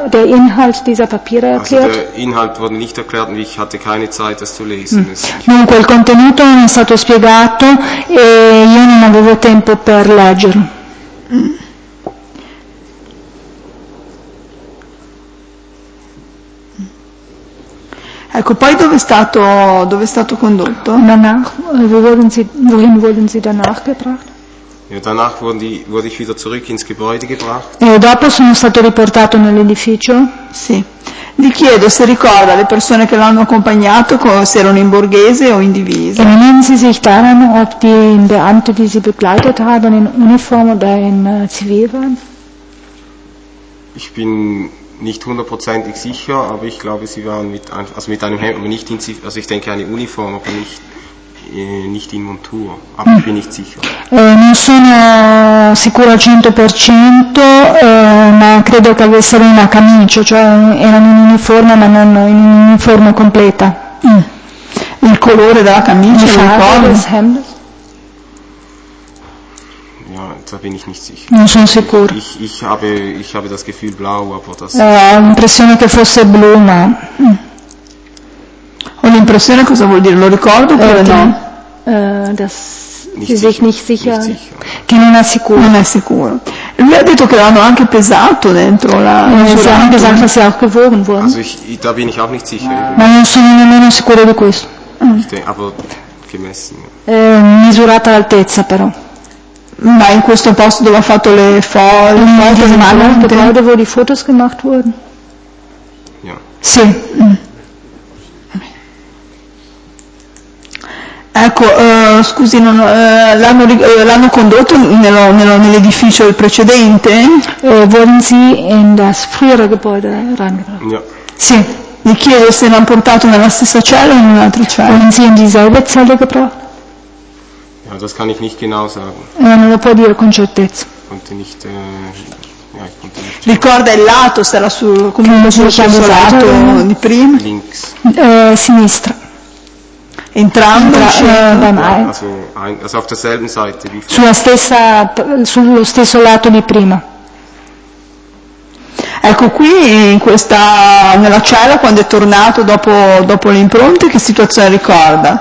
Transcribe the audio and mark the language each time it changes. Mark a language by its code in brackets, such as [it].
[de] Der Inhalt dieser Papiere erklärt? Also der Inhalt wurde nicht erklärt und ich hatte keine Zeit, das zu lesen. [it] Dunque, il contenuto non è stato spiegato e io non avevo tempo per leggerlo. Ecco, poi dove è stato condotto? [de] Danach, wohin wurden Sie danach gebracht? Ja, danach wurde ich wieder zurück ins Gebäude gebracht. [it] E dopo sono stato riportato nell'edificio? Sì. Gli chiedo se ricorda le persone che l'hanno accompagnato, se erano in borghese o in divisa. [de] Erinnern Sie sich daran, ob die Beamte, die Sie begleitet haben, in Uniform oder in Zivil waren? Ich bin nicht hundertprozentig sicher, aber ich glaube, sie waren mit einem Hemd, aber nicht in Zivil, also ich denke eine Uniform, aber nicht in Montur, aber ich bin nicht sicher. [it] Non sono sicuro al 100%, ma credo che avessero una camicia, cioè erano in uniforme, ma non in uniforme completa. Il colore della camicia, non ricordo. [de] Ja, da bin ich nicht sicher. [it] Non sono sicuro. [de] Ich habe das Gefühl blau, aber das. [it] L'impressione che fosse blu, ma. Ho l'impressione, cosa vuol dire? Lo ricordo oppure no? [de] Das nicht sie sich nicht sicher. Nicht sicher. [it] Che non è sicuro. Non è sicuro. Lui ha detto che l'hanno anche pesato dentro la. [de] Gesagt, dass sie auch gewogen wurden. Also da bin ich auch nicht sicher. [it] Ma non sono nemmeno sicuro di questo. [de] Aber gemessen. [it] Misurata l'altezza, però. Ma in questo posto dove ha fatto le foto, dove le foto sono state fatte? Sì. Ecco, scusi, non, l'hanno condotto nell'edificio precedente? [de] Wurden Sie in das frühere Gebäude reingebracht? Ja. [it] Sì. Mi chiedo se l'hanno portato nella stessa cella o in un'altra cella. [de] Wurden Sie in dieselbe Zelle gebracht? Ja, das kann ich nicht genau sagen. [it] Non lo può dire con certezza. [de] Konnte nicht, ja, ich konnte nicht. [it] Ricorda il lato, sarà sul, come lo sul lato, lato di prima? [de] Links. [it] Sinistra. Entrando [de] also auf derselben Seite wie vorher. [it] Sulla stessa, sullo stesso lato di prima. Ecco qui in questa, nella cella quando è tornato dopo le impronte, che situazione ricorda?